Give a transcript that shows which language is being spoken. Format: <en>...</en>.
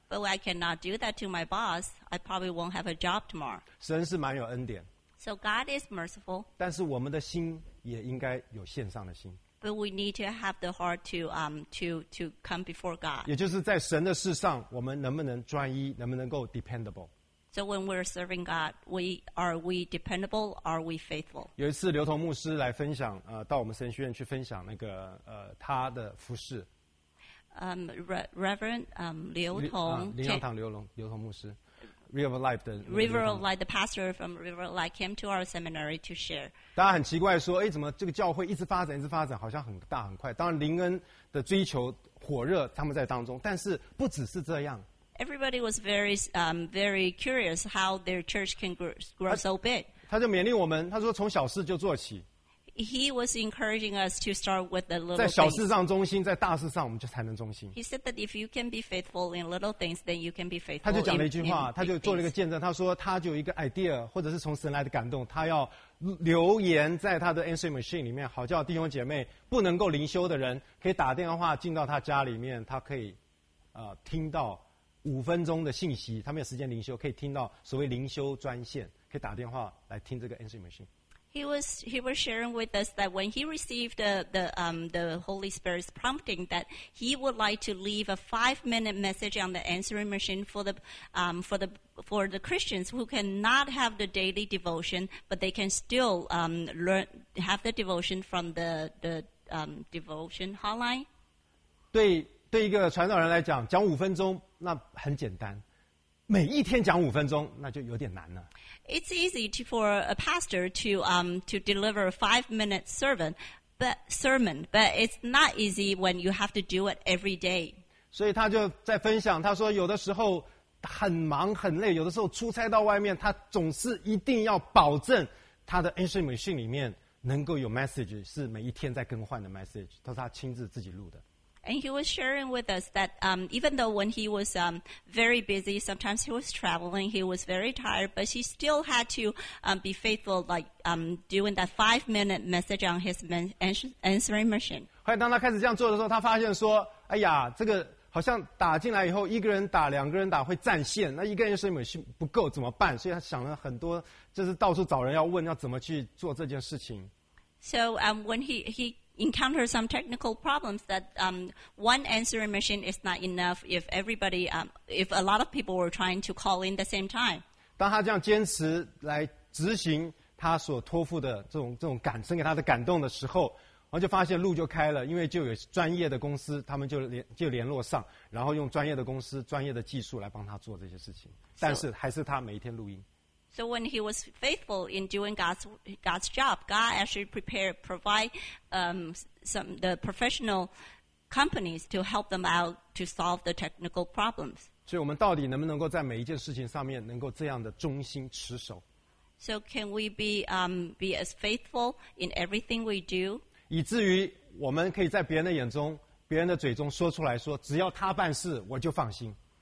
<en>But I cannot do that to my boss. I probably won't have a job tomorrow.</en> <zh>神是蛮有恩典。</zh> <en>So God is merciful.</en> <zh>但是我们的心也应该有献上的心。</zh> <en>But we need to have the heart to come before God.</en> <zh>也就是在神的事上，我们能不能专一，能不能够 dependable?</zh> <en>So when we're serving God, are we dependable? Are we faithful?</en> <zh>有一次，刘同牧师来分享，到我们神学院去分享那个他的服事。</zh> <en>Reverend 刘同</en> <zh>灵粮堂刘同牧师。</zh> <en>River of Life 的 River of Life, the pastor from River of Life came to our seminary to share.</en> <zh>大家很奇怪说，哎，怎么这个教会一直发展，好像很大很快。当然，灵恩的追求火热，他们在当中，但是不只是这样。</zh> <en>Everybody was very, very curious how their church can grow so big.</en> <zh>他就勉励我们，他说从小事就做起。</zh> <en>He was encouraging us to start with the little things.</en> <zh>在小事上忠心，在大事上我们就才能忠心。</zh> <en>He said that if you can be faithful in little things, then you can be faithful.</en> <zh>他就讲了一句话，他就做了一个见证。他说他就有一个 idea， 或者是从神来的感动，他要留言在他的 answering machine 里面，好叫弟兄姐妹不能够灵修的人可以打电话进到他家里面，他可以听到5分的信息，他没有时间灵修，可以听到所谓灵修专线，可以打电话来听这个 answering machine。</zh> <en>He was sharing with us that when he received the Holy Spirit's prompting that he would like to leave a 5-minute message on the answering machine for the Christians who cannot have the daily devotion, but they can still learn have the devotion from the devotion hotline.</en> <zh>对一个传道人来讲，讲五分钟那很简单。每一天讲五分钟，那就有点难了。</zh> <en>It's easy for a pastor to deliver a 5-minute sermon, but it's not easy when you have to do it every day.</en> <zh>所以他就在分享，他说有的时候很忙很累，有的时候出差到外面，他总是一定要保证他的 answering machine 里面能够有 message， 是每一天在更换的 message， 都是他亲自自己录的。</zh> <en>And he was sharing with us that even though when he was very busy, sometimes he was traveling, he was very tired, but he still had to be faithful, like doing that 5-minute message on his answering machine.</en> <zh>后来当他开始这样做的时候，他发现说，哎呀，这个好像打进来以后，一个人打，两个人打会占线，那一个人生命不够怎么办？所以他想了很多，就是到处找人要问要怎么去做这件事情。</zh> <en>So when he encounters some technical problems that one answering machine is not enough if everybody if a lot of people were trying to call in the same time.</en> <zh>当他这样坚持来执行他所托付的这种感生给他的感动的时候。然后就发现路就开了，因为就有专业的公司，他们就联络上，然后用专业的公司、专业的技术来帮他做这些事情。但是还是他每一天录音。</zh> <en>So when he was faithful in doing God's job, God actually provide some the professional companies to help them out to solve the technical problems.</en> <zh>所以我们到底能不能够在每一件事情上面能够这样的忠心持守</zh> <en>？So can we be as faithful in everything we do？</en> <zh>以至于我们可以在别人的眼中、别人的嘴中说出来说，只要他办事，我就放心。</zh>